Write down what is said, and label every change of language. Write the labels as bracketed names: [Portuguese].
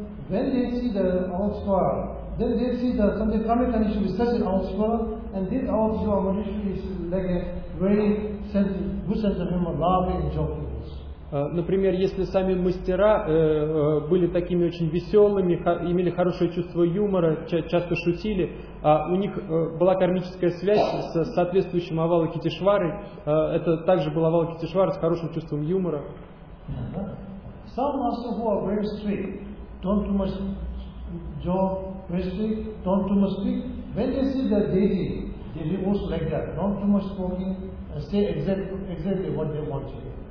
[English] Then they see that something coming and should be touching Avalokiteshvara, and this Avalokiteshvara Manjushri is like a very good sense of humor, laughing and joking. [Russian] Например, если сами мастера были такими очень веселыми, имели хорошее чувство юмора, часто шутили, а у них была кармическая связь с соответствующим Авалокитешварой, это также был Авалокитешвара с хорошим чувством юмора. [English] Some masters who are very strict, don't too much joke, restrict, don't too much speak. When they see the deity, they live also like that. Not too much talking, say exactly what they want to.